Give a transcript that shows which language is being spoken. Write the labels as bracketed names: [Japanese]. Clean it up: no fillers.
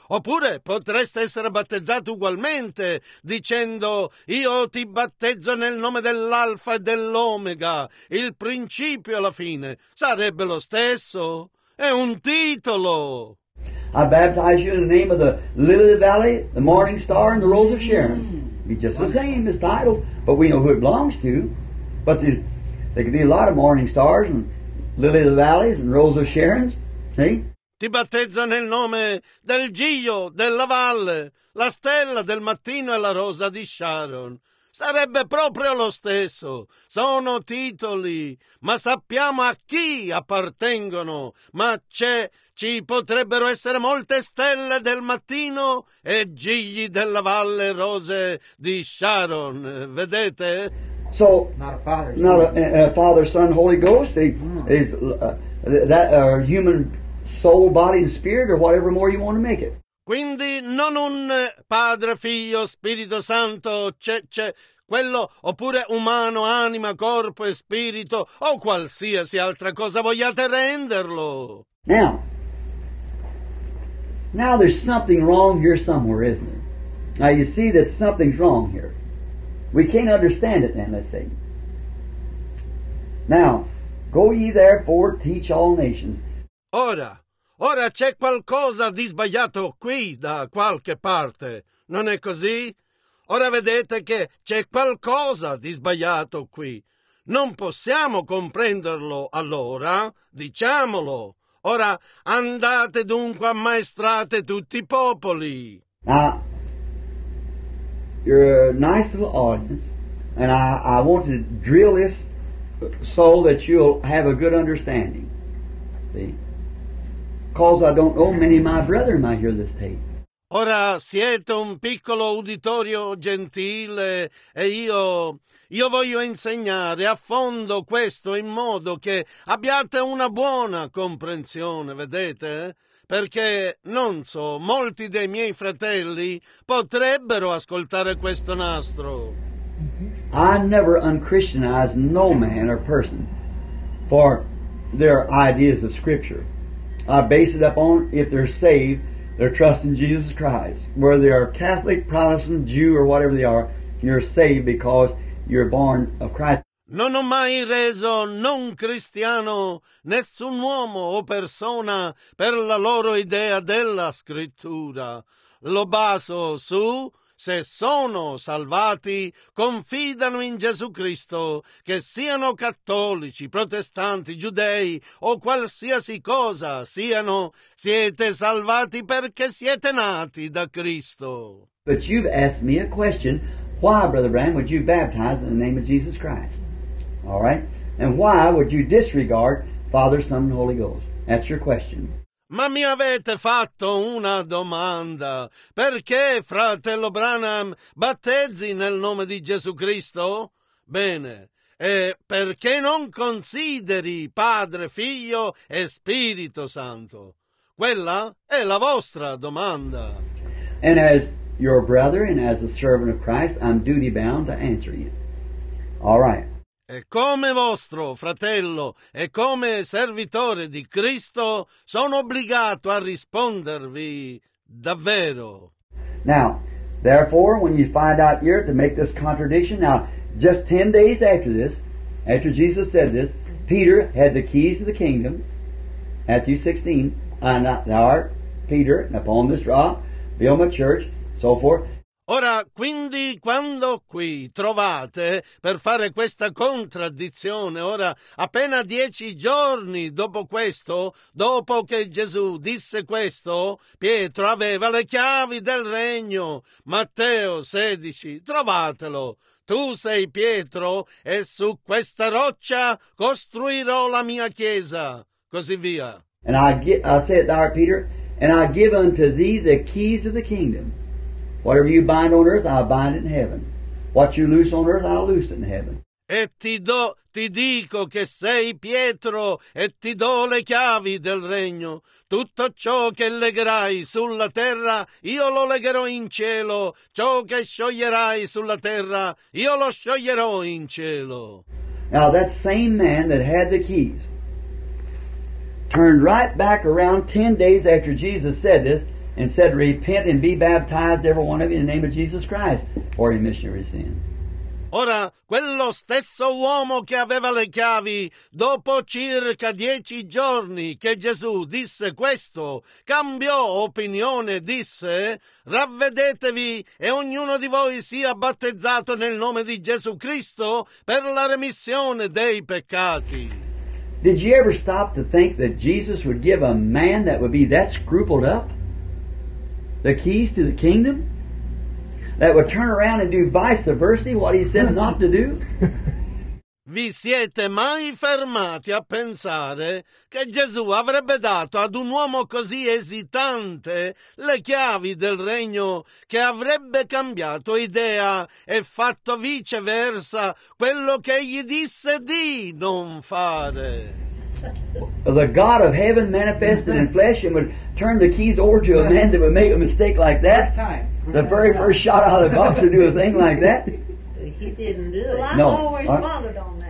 [Italian] Oppure potreste essere battezzati ugualmente dicendo io ti battezzo nel nome dell'Alfa e dell'Omega, il principio alla fine, sarebbe lo stesso? È un titolo! [English] I baptize you in the name of the Lily of the Valley, the Morning Star, and the Rose of Sharon. Be just the same as titles, but we know who it belongs to. But there could be a lot of Morning Stars and Lily of the Valleys and Rose of Sharon's. See? [Italian] Ti battezzo nel nome del Gio della Valle, la Stella del Mattino e la Rosa di Sharon. Sarebbe proprio lo stesso. Sono titoli, ma sappiamo a chi appartengono. Ma c'è, ci potrebbero essere molte stelle del mattino e gigli della valle rose di Sharon. Vedete? [English] So, not a father. Not a Father, Son, Holy Ghost. Is that a human soul, body and spirit or whatever more you want to make it. [Italian] Quindi non un Padre, Figlio, Spirito Santo, c'è quello, oppure umano, anima, corpo e spirito, o qualsiasi altra cosa vogliate renderlo. [English] Now there's something wrong here somewhere, isn't it? Now you see that something's wrong here. We can't understand it then, let's say. Now, go ye therefore, teach all nations. [Italian] Ora c'è qualcosa di sbagliato qui da qualche parte, non è così? Ora vedete che c'è qualcosa di sbagliato qui. Non possiamo comprenderlo allora, diciamolo. Ora andate dunque a ammaestrate tutti i popoli. [English] Now, you're a nice little audience, and I want to drill this so that you'll have a good understanding. See? Because I don't know many of my brethren might hear this tape. [Italian] Ora siete un piccolo uditorio gentile e io voglio insegnare a fondo questo in modo che abbiate una buona comprensione, vedete? Perché, non so, molti dei miei fratelli potrebbero ascoltare questo nastro. [English] I never unchristianize no man or person for their ideas of Scripture. I base it upon if they're saved, their trust in Jesus Christ. Whether they are Catholic, Protestant, Jew, or whatever they are, you're saved because you're born of Christ. [Italian] Non ho mai reso non cristiano nessun uomo o persona per la loro idea della scrittura. Lo baso su se sono salvati, confidano in Gesù Cristo, che siano cattolici, protestanti, giudei o qualsiasi cosa siano, siete salvati perché siete nati da Cristo. [English] But you've asked me a question, why, Brother Branham, would you baptize in the name of Jesus Christ? All right? And why would you disregard Father, Son, and Holy Ghost? That's your question. [Italian] Ma mi avete fatto una domanda. Perché, fratello Branham, battezzi nel nome di Gesù Cristo? Bene. E perché non consideri Padre, Figlio e Spirito Santo? Quella è la vostra domanda. [English] And as your brother and as a servant of Christ, I'm duty bound to answer you. All right. [Italian] E come vostro fratello e come servitore di Cristo sono obbligato a rispondervi davvero. [English] Now, therefore, when you find out here to make this contradiction, now, just 10 days after this, after Jesus said this, Peter had the keys of the kingdom, Matthew 16, and thou art Peter, and upon this rock, build my church, so forth. [Italian] Ora, quindi, quando qui trovate per fare questa contraddizione, ora, appena 10 giorni dopo questo, dopo che Gesù disse questo, Pietro aveva le chiavi del regno. Matteo 16, trovatelo. Tu sei Pietro e su questa roccia costruirò la mia chiesa. Così via. [English] And I say it there, Peter, and I give unto thee the keys of the kingdom. Whatever you bind on earth, I bind in heaven. What you loose on earth, I loose in heaven. [Italian] E ti dico che sei Pietro e ti do le chiavi del regno. Tutto ciò che legherai sulla terra, io lo legherò in cielo. Ciò che scioglierai sulla terra, io lo scioglierò in cielo. [English] Now that same man that had the keys turned right back around 10 days after Jesus said this, and said, repent and be baptized, every one of you, in the name of Jesus Christ, for remission of your sins. [Italian] Ora, quello stesso uomo che aveva le chiavi, dopo circa 10 giorni che Gesù disse questo, cambiò opinione, disse, ravvedetevi e ognuno di voi sia battezzato nel nome di Gesù Cristo per la remissione dei peccati. [English] Did you ever stop to think that Jesus would give a man that would be that scrupled up the keys to the kingdom, that would turn around and do vice versa what he said not to do? [Italian] Vi siete mai fermati a pensare che Gesù avrebbe dato ad un uomo così esitante le chiavi del regno, che avrebbe cambiato idea e fatto viceversa quello che egli disse di non fare? [English] The God of heaven manifested in flesh and would turn the keys over to a man that would make a mistake like that? The very first shot out of the box would do a thing like that? He didn't do it. No. I've always bothered on that.